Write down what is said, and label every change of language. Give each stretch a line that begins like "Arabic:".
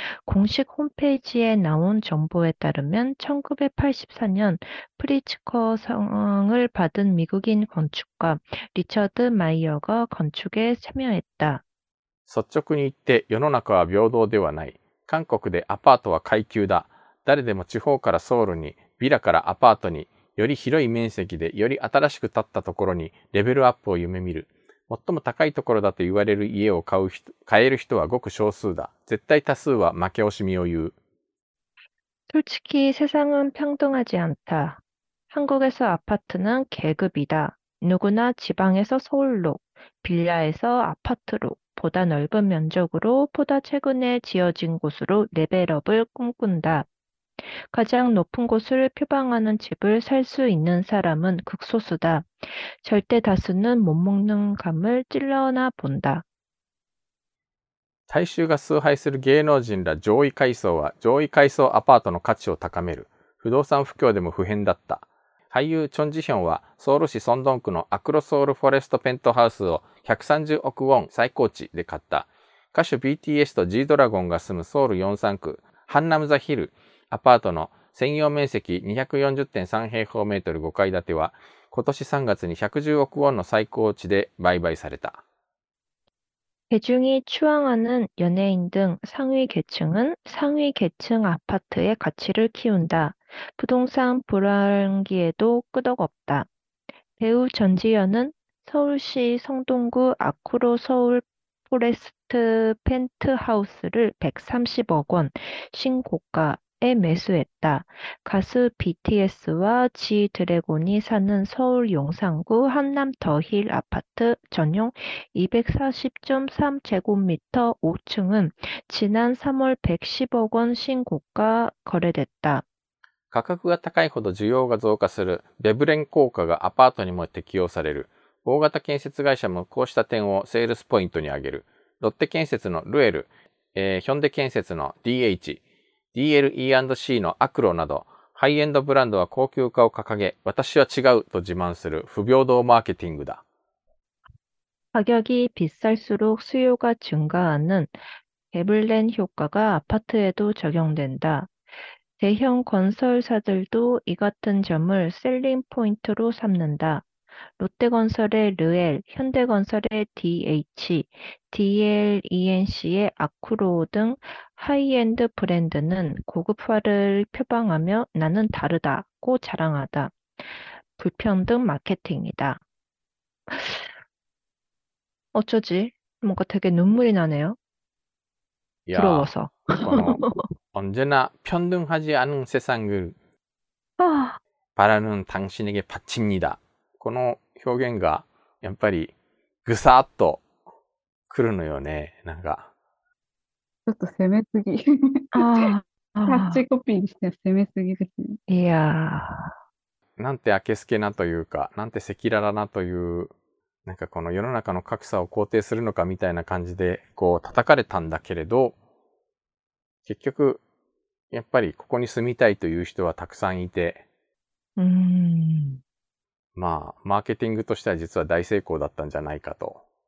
Korean: 공식 홈페이지에 나온 정보에 따르면 1984년 프리츠커 상을 받은 미국인 건축가 리처드 마이어가 건축에 참여했다.
Japanese: 率直に言って世の中は平等ではない。韓国でアパートは階級だ。誰でも地方からソウルに、ビラからアパートに、より広い面積で、より新しく建ったところに、レベルアップを夢見る。最も高いところだと言われる家を買える人はごく少数だ。絶対多数は負け惜しみを言う。
Korean: 솔직히 세상은 평등하지 않다. 한국에서 아파트는 계급이다. 누구나 지방에서 서울로, 빌라에서 아파트로, 보다 넓은 면적으로, 보다 최근에 지어진 곳으로 레벨업을 꿈꾼다. 가장 높은 곳을 표방하는 집을 살수 있는 사람은 극소수다. 절대 다수는 못 먹는 감을 찔러나 본다.
Japanese: 大衆が崇拝する芸能人ら上位階層は上位階層アパートの価値を高める。不動産不況でも不変だった。俳優チョン・ジヒョンはソウル市ソンドン区のアクロソウルフォレストペントハウスを130億ウォン最高値で買った。歌手 BTS と G ドラゴンが住むソウル4、3区ハンナムザヒルアパートの専用面積240.3平方メートル5階建ては今年3月に110億ウォンの最高値で売買された。
Korean: 대중이 추앙하는 연예인 등 상위 계층은 상위 계층 아파트의 가치를 키운다. 부동산 불황기에도 끄떡없다. 배우 전지현은 서울시 성동구 아크로 서울 포레스트 펜트하우스를 130억 원 신고가에 매수했다. 가수 BTS와 지 드래곤이 사는 서울 용산구 한남 더힐 아파트 전용 240.3제곱미터 5층은 지난 3월 110억 원 신고가 거래됐다.
Japanese: 価格が高いほど需要が増加するベブレン効果がアパートにも適用される。大型建設会社もこうした点をセールスポイントに挙げる。ロッテ建設のルエル、ヒョンデ建設の DH、DLE&C のアクロなど、ハイエンドブランドは高級化を掲げ、私は違うと自慢する不平等マーケティングだ。
Korean: 가격이 비쌀수록 수요가 증가하는 베블렌 효과가 아파트에도 적용된다. 대형 건설사들도 이 같은 점을 셀링 포인트로 삼는다. 롯데건설의 르엘, 현대건설의 DH, DLENC의 아크로 등 하이엔드 브랜드는 고급화를 표방하며 나는 다르다고 자랑하다. 불평등 마케팅이다. 어쩌지? 뭔가 되게 눈물이 나네요.
Japanese: いや、
Korean: 부러워서.
Japanese: この
Korean: 언제나 평등하지 않은 세상을 아. 바라는 당신에게 바칩니다.
Japanese: この表現がやっぱりぐさっと来るのよね。なんかちょっと攻めすぎ。あキャッチコピーにしては攻めすぎですね。いやー。なんてあけすけなというか、なんて赤裸々なという、なんかこの世の中の格差を肯定するのかみたいな感じでこう叩かれたんだけれど、結局、やっぱりここに住みたいという人はたくさんいて、まあ、マーケティングとしては実は大成功だったんじゃないかと。